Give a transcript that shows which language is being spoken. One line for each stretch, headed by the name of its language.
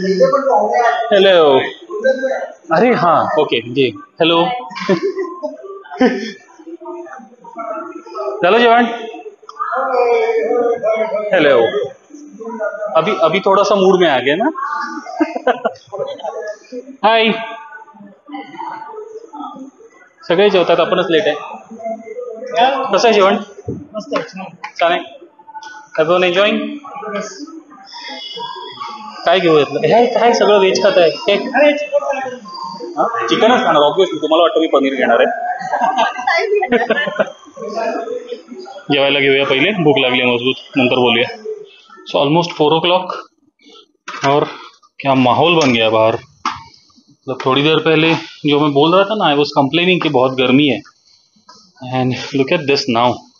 Marathi: Hello, अरे हा okay जी, hello झालं जेवण?
Hindi: हॅलो, अभी अभी थोडासा मूड में आ गया ना।
Marathi: हाय, सगळे जेवतात, आपणच लेट आहे। कसं आहे जेवण? चालेल, काय घेऊ? सगळं वेज खात आहे, चिकनच खाणार ऑब्व्हियसली, तुम्हाला वाटतं मी पनीर घेणार आहे। जेवायला घेऊया पहिले, भूक लागली मजबूत, नंतर बोलूया।
English: so almost 4 o'clock
Hindi: और क्या माहौल बन गया बाहर। मतलब थोड़ी देर पहले जो मैं बोल रहा था ना,
English: I was complaining
Hindi: कि बहुत गर्मी है,
English: And look at this now.